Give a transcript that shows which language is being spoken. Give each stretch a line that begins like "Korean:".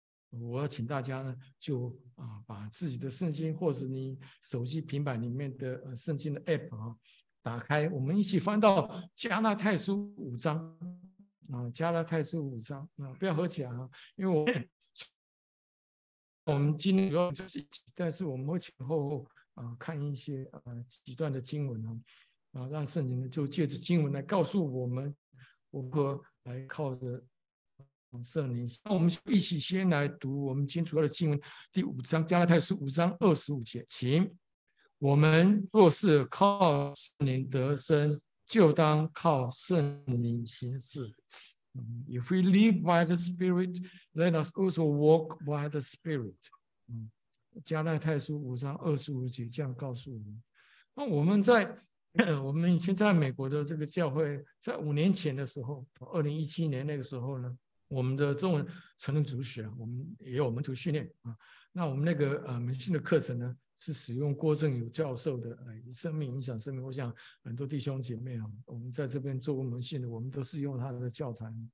Chinese: 我要请大家呢，就把自己的圣经或者你手机平板里面的圣经的 APP 打开，我们一起翻到加拉太书五章加拉太书五章不要合起来因为我们今天主要就是一起，但是我们会前后看一些几段的经文让圣灵就借着经文来告诉我们如何来靠着圣灵。那我们一起先来读我们今天主要的经文，第五章加拉太书五章二十五节，请。我们若是靠圣灵得生，就当靠圣灵行事。
English: If we live by the Spirit, let us also walk by the Spirit.
Chinese: 加拉太书五章二十五节这样告诉我们。那我们在我们以前在美国的这个教会，在五年前的时候，2017年那个时候呢，我们的中文成人主学，我们也有门徒训练那我们那个门训的课程呢，是使用郭正友教授的生命影响生命，我想很多弟兄姐妹我们在这边做过门训的，我们都是用他的教材。